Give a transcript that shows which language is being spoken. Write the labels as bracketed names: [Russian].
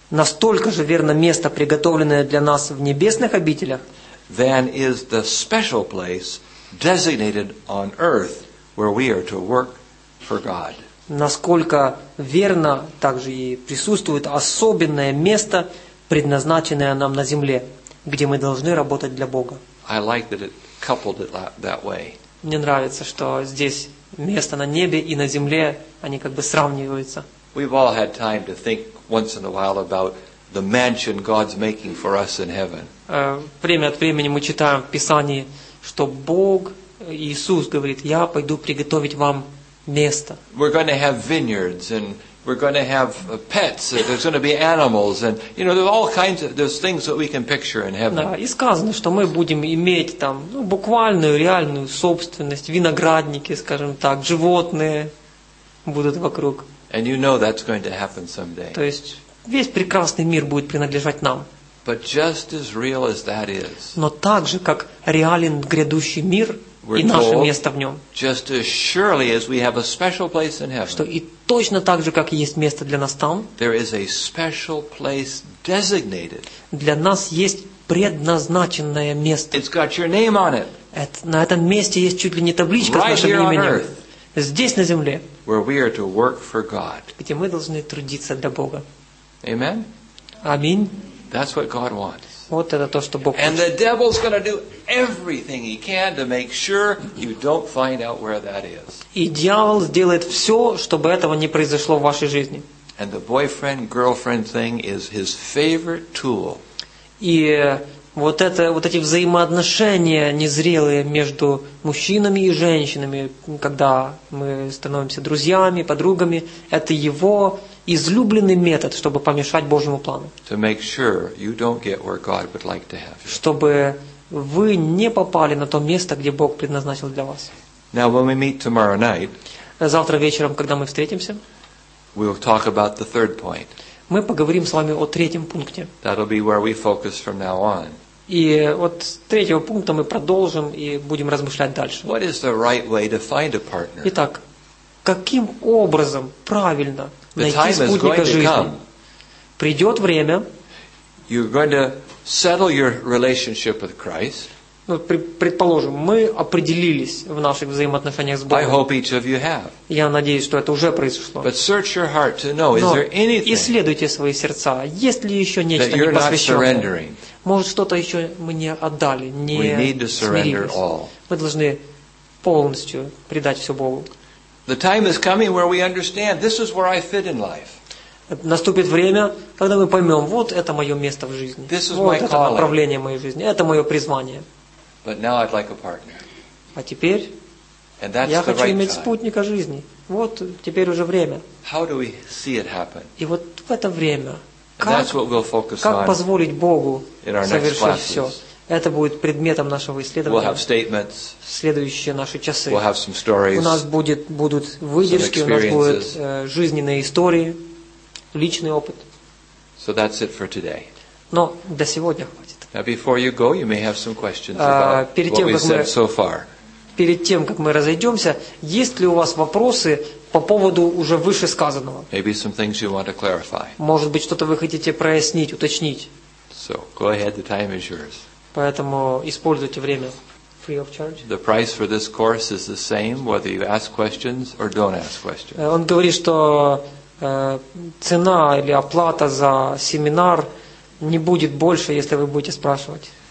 [Russian] Настолько же верно место, приготовленное для нас в небесных обителях, [English] than is the special place designated on earth where we are to work for God. [Russian] Насколько верно также и присутствует особенное место, предназначенное нам на земле, где мы должны работать для Бога. [English] I like that it coupled it that way. [Russian] Мне нравится, что здесь место на небе и на земле, они как бы сравниваются. [English] We've all had time to think once in a while about the mansion God's making for us in heaven. [Russian] Время от времени мы читаем в Писании, что Бог, Иисус говорит, я пойду приготовить вам место. [English] We're going to have vineyards and we're going to have pets, there's going to be animals, and you know, there's all kinds of there's things that we can picture in heaven. [Russian] Да, и сказано, что мы будем иметь там, ну, буквальную, реальную собственность, виноградники, скажем так, животные будут вокруг. [English] And you know that's going to happen someday. [Russian] То есть весь прекрасный мир будет принадлежать нам. [English] But just as real as that is. [Russian] Но так же, как реален грядущий мир, [English] we're [Russian] и наше место в нем. [English] Just as surely as we have a special place in heaven. [Russian] Что и точно так же, как и есть место для нас там. [English] There is a special place designated. [Russian] Для нас есть предназначенное место. [English] It's got your name on it. [Russian] На этом месте есть чуть ли не табличка [English] right [Russian] с нашим [English] here [Russian] именем. [English] On earth, [Russian] здесь на земле. [English] Where we are to work for God. [Russian] Где мы должны трудиться для Бога. [English] Amen. [Russian] Аминь. [English] That's what God wants. [Russian] Вот это то, что Бог хочет. [English] And the devil's going to do everything he can to make sure you don't find out where that is. [Russian] И дьявол сделает все, чтобы этого не произошло в вашей жизни. [English] And the boyfriend-girlfriend thing is his favorite tool. [Russian] И вот эти взаимоотношения незрелые между мужчинами и женщинами, когда мы становимся друзьями, подругами, это его излюбленный метод, чтобы помешать Божьему плану. [English] To make sure you don't get where God would like to have you. [Russian] Чтобы вы не попали на то место, где Бог предназначил для вас. [English] Now, when we meet tomorrow night, [Russian] завтра вечером, когда мы встретимся, [English] we'll talk about the third point. [Russian] Мы поговорим с вами о третьем пункте. [English] That'll be where we focus from now on. [Russian] И вот с третьего пункта мы продолжим и будем размышлять дальше. [English] What is the right way to find a partner? [Russian] Итак, каким образом правильно найти спутника жизни? Придет время. [English] You're going to settle your relationship with Christ. [Russian] Ну, предположим, мы определились в наших взаимоотношениях с Богом. [English] I hope each of you have. [Russian] Я надеюсь, что это уже произошло. [English] But search your heart to know, is there anything? [Russian] Исследуйте свои сердца, есть ли еще нечто непосвященное? [English] That you're not surrendering. [Russian] Может, что-то еще мы не отдали, не смирились. [English] We need to surrender all. [Russian] Мы должны полностью предать все Богу. [English] The time is coming where we understand this is where I fit in life. [Russian] Наступит время, когда мы поймем, вот это мое место в жизни. [English] This is [Russian] вот [English] my [Russian] это направление моей жизни. Это мое призвание. [English] But now I'd like a partner. [Russian] А теперь [English] And that's [Russian] я [English] the [Russian] хочу [English] right [Russian] иметь [English] time. [Russian] Спутника жизни. Вот теперь уже время. [English] How do we see it happen? [Russian] И вот в это время, как, [English] that's what we'll focus [Russian] как [English] on [Russian] позволить Богу [English] in our [Russian] совершить [English] next classes. [Russian] Все? Это будет предметом нашего исследования. [English] We'll have statements. [Russian] В следующие наши часы. [English] We'll have some stories, [Russian] у нас будет, будут выдержки, у нас будут жизненные истории. Личный опыт. [English] So that's it for today. [Russian] Но до сегодня хватит. [English] Now before you go, you may have some questions about what we've said so far. [Russian] Перед тем, как мы разойдемся, есть ли у вас вопросы по поводу уже вышесказанного? [English] Maybe some things you want to clarify. [Russian] Может быть, что-то вы хотите прояснить, уточнить. [English] So go ahead, the time is yours. [Russian] Поэтому используйте время. [English] Free of charge. The price for this course is the same, whether you ask questions or don't ask questions. [Russian] Он говорит, что цена или оплата за семинар не будет больше, если вы будете спрашивать.